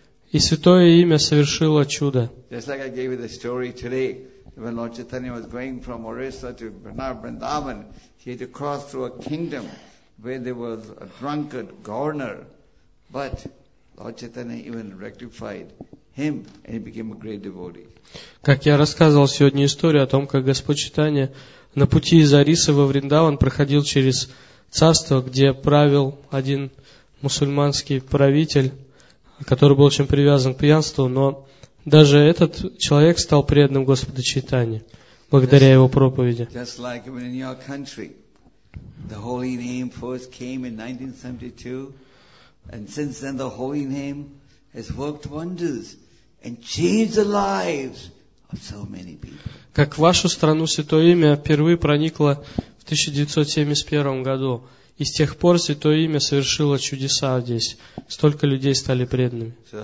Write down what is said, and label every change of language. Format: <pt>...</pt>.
<ru>И святое имя совершило чудо.</ru> <en>Just like I gave you the story today, when Lord Chaitanya was going from Orissa to Vrindavan, he had to cross through a kingdom where there was a drunkard governor. But Lord Chaitanya even rectified him and he became a great devotee.</en> <ru>Как я рассказывал сегодня историю о том, как Господь Чайтанья на пути из Орисы во Вриндаван проходил через царство, где правил один мусульманский правитель, который был очень привязан к пьянству, но даже этот человек стал преданным Господу Чайтанье благодаря его проповеди.</ru> <en>Just like in your country, the holy name first came in 1972, and since then the holy name has worked wonders and changed the lives of so many people.</en> <ru>Как в вашу страну святое имя впервые проникло в 1971 году. И с тех пор Святое Имя совершило чудеса здесь. Столько людей стали преданными.</ru>